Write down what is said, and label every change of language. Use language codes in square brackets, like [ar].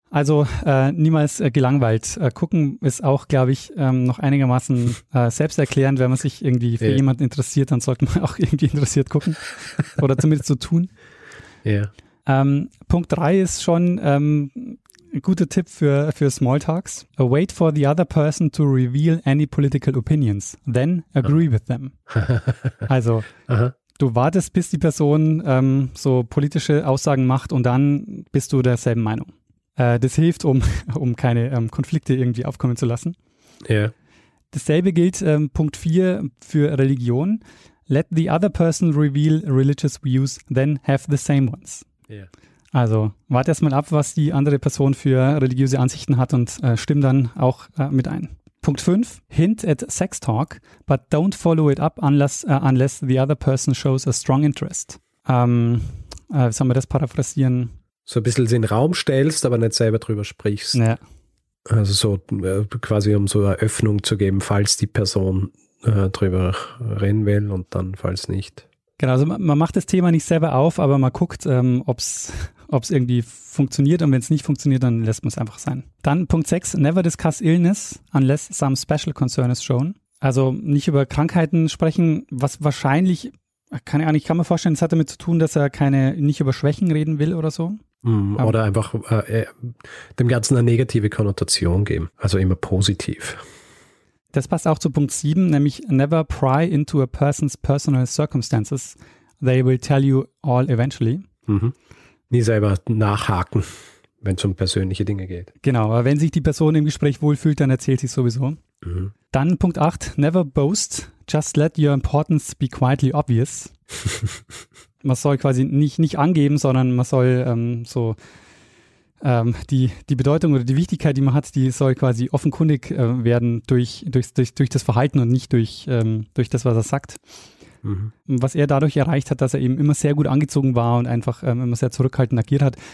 [de] Also niemals gelangweilt gucken ist auch, glaube ich, noch einigermaßen selbsterklärend, wenn man sich irgendwie für jemanden interessiert, dann sollte man auch irgendwie interessiert gucken oder zumindest so tun. Ja. Yeah. Punkt 3 ist schon ein guter Tipp für Smalltalks. [en] Wait for the other person to reveal any political opinions, then agree with them. [de] Also, du wartest, bis die Person so politische Aussagen macht und dann bist du derselben Meinung. Das hilft, um keine Konflikte irgendwie aufkommen zu lassen. Ja. Yeah. Dasselbe gilt Punkt 4 für Religion. [en] Let the other person reveal religious views, then have the same ones. Yeah. [de] Also, warte erstmal ab, was die andere Person für religiöse Ansichten hat und stimm dann auch mit ein. Punkt 5, [en] hint at sex talk, but don't follow it up unless the other person shows a strong interest. [de] Wie soll man das paraphrasieren? So ein bisschen sie in den Raum stellst, aber nicht selber drüber sprichst. Ja. Also so quasi, um so eine Öffnung zu geben, falls die Person drüber reden will und dann falls nicht. Genau, also man macht das Thema nicht selber auf, aber man guckt, ob es irgendwie funktioniert, und wenn es nicht funktioniert, dann lässt man es einfach sein. Dann Punkt 6, [en] never discuss illness unless some special concern is shown. [de] Also nicht über Krankheiten sprechen, was wahrscheinlich, keine Ahnung, ich kann mir vorstellen, es hat damit zu tun, dass er nicht über Schwächen reden will oder so. Oder einfach dem Ganzen eine negative Konnotation geben, also immer positiv. Das passt auch zu Punkt 7, nämlich [en] never pry into a person's personal circumstances. They will tell you all eventually. Mhm. [de] Nie selber nachhaken, wenn es um persönliche Dinge geht. Genau, aber wenn sich die Person im Gespräch wohlfühlt, dann erzählt sie sowieso. Mhm. Dann Punkt 8, [en] never boast. Just let your importance be quietly obvious. [de] Man soll quasi nicht angeben, sondern man soll die Bedeutung oder die Wichtigkeit, die man hat, die soll quasi offenkundig werden durch das Verhalten und nicht durch das, was er sagt. Mhm. Was er dadurch erreicht hat, dass er eben immer sehr gut angezogen war und einfach immer sehr zurückhaltend agiert hat.